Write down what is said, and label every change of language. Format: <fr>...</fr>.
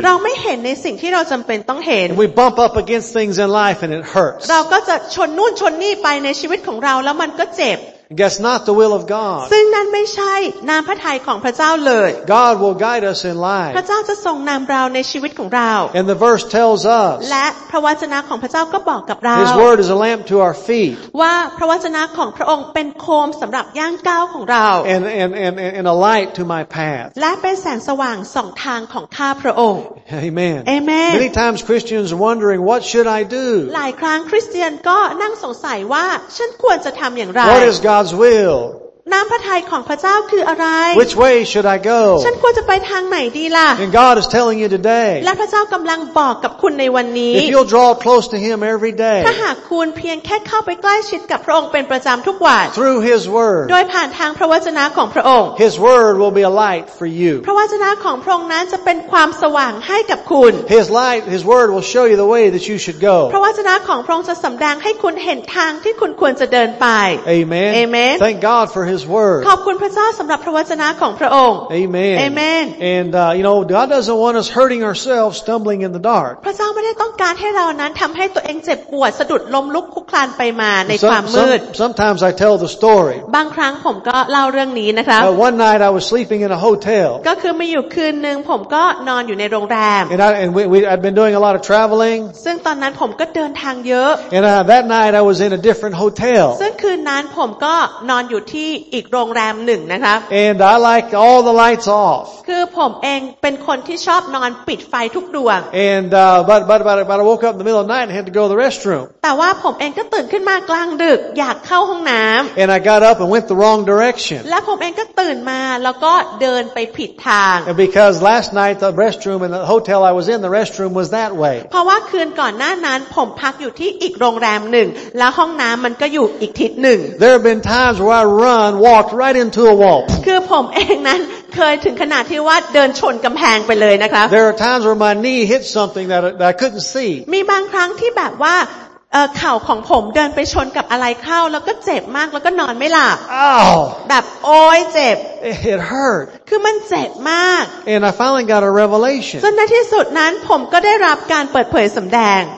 <th>เราไม่เห็นในสิ่งที่เราจำเป็นต้องเห็น</th> <en>We bump up against things in life and it hurts.</en> <th>เราก็จะชนนู่นชนนี่ไปในชีวิตของเราแล้วมันก็เจ็บ</th> <en>That's not the will of God.</en> <th>ซึ่งนั้นไม่ใช่น้ำพระทัยของพระเจ้าเลย</th> <en>God will guide us in life.</en> <th>พระเจ้าจะทรงนำเราในชีวิตของเรา</th> <en>And the verse tells us.</en> <th>และพระวจนะของพระเจ้าก็บอกกับเรา</th> <en>His word is a lamp to our feet.</en> <th>ว่าพระวจนะของพระองค์เป็นโคมสำหรับย่างก้าวของเรา</th> <en>And a light to my path.</en> <th>และเป็นแสงสว่างสองทางของข้าพระองค์</th> <en>Amen. Amen. Many times Christians are wondering what should I do.</en> <th>หลายครั้งคริสเตียนก็นั่งสงสัยว่าฉันควรจะทำอย่างไร</th> <en>What is God's will?</en> <th>น้ำพระทัยของพระเจ้าคืออะไร</th> <en>Which way should I go</en> <th>ฉันควรจะไปทางไหนดีล่ะ</th> <en>And God is telling you today</en> <th>และพระเจ้ากำลังบอกกับคุณในวันนี้</th> <en>If you'll draw close to Him every day</en> <th>ถ้าหากคุณเพียงแค่เข้าไปใกล้ชิดกับพระองค์เป็นประจำทุกวัน</th> <en>Through His Word</en> <th>โดยผ่านทางพระวจนะของพระองค์</th> <en>His Word will be a light for you</en> <th>พระวจนะของพระองค์นั้นจะเป็นความสว่างให้กับคุณ</th> <en>His light His Word will show you the way that you should go</en> <th>พระวจนะของพระองค์จะสำแดงให้คุณเห็นทางที่คุณควรจะเดินไป</th> <en>Amen Amen Thank God forHis word.</en> <th>ขอบคุณพระเจ้าสำหรับพระวจนะของพระองค์</th> <en>Amen. Amen. And you know, God doesn't want us hurting ourselves, stumbling in the dark.</en> <th>พระเจ้าไม่ได้ต้องการให้เรานั้นทำให้ตัวเองเจ็บปวดสะดุดล้มลุกคลุกคลานไปมาในความมืด</th> <en>Sometimes I tell the story.</en> <th>บางครั้งผมก็เล่าเรื่องนี้นะคะ</th> <en>One night I was sleeping in a hotel.</en> <th>ก็คือมีอยู่คืนนึงผมก็นอนอยู่ในโรงแรม</th> <en>And I'd been doing a lot of traveling.</en> <th>ซึ่งตอนนั้นผมก็เดินทางเยอะ</th> <en>And that night I was in a different hotel.</en> <th>ซึ่งคืนนั้นผมก็นอนอยู่ที่อีกโรงแรมหนึ่งนะคะ</th> <en>And I like all the lights off</en> <th>คือผมเองเป็นคนที่ชอบนอนปิดไฟทุกดวง</th> <en>And but I woke up in the middle of the night and had to go to the restroom</en> <th>แต่ว่าผมเองก็ตื่นขึ้นมากลางดึกอยากเข้าห้องน้ำ</th> <en>And I got up and went the wrong direction</en> <th>และผมเองก็ตื่นมาแล้วก็เดินไปผิดทาง</th> <en>And because last night the restroom in the hotel I was in the restroom was that way</en> <th>เพราะว่าคืนก่อนหน้านั้นผมพักอยู่ที่อีกโรงแรมหนึ่งแล้วห้องน้ำมันก็อยู่อีกทิศหนึ่ง</th> <en>There have been times where I runAnd walked right into a wall.</en> <th>คือผมเองนั้นเคยถึงขนาดที่ว่าเดินชนกำแพงไปเลยนะครับ</th> <en>There are times where my knee hit something that I couldn't see.</en> <th>มีบางครั้งที่แบบว่าเข่าของผมเดินไปชนกับอะไรเข้าแล้วก็เจ็บมากแล้วก็นอนไม่หลับ</th> <en>Oh.</en> <th>แบบโอ้ยเจ็บ</th> <en>It hurt.</en> <th>คือมันเจ็บมาก</th> <en>And I finally got a revelation.</en> <th>จนในที่สุดนั้นผมก็ได้รับการเปิดเผยสำแดง</th>